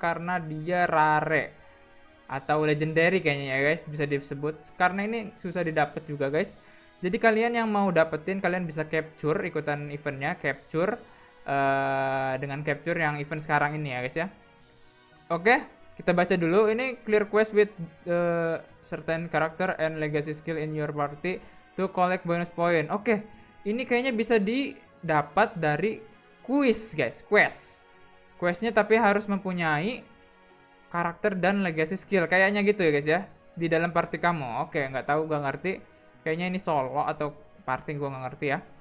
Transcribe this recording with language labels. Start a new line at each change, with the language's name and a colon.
Indonesian: Karena dia rare atau legendary kayaknya ya guys, bisa disebut. Karena ini susah didapat juga guys. Jadi kalian yang mau dapetin, kalian bisa capture, ikutan eventnya capture. Dengan capture yang event sekarang ini ya guys ya. Oke, okay, kita baca dulu.
English: Ini clear quest with certain character and legacy skill in your party to collect bonus point.
Indonesian: Oke, okay, ini kayaknya bisa didapat dari quiz guys. Quest. Questnya tapi harus mempunyai karakter dan legacy skill. Kayaknya gitu ya guys ya. Di dalam party kamu. Oke, okay, nggak tahu, gak ngerti. Kayaknya ini solo atau party, gue gak ngerti ya.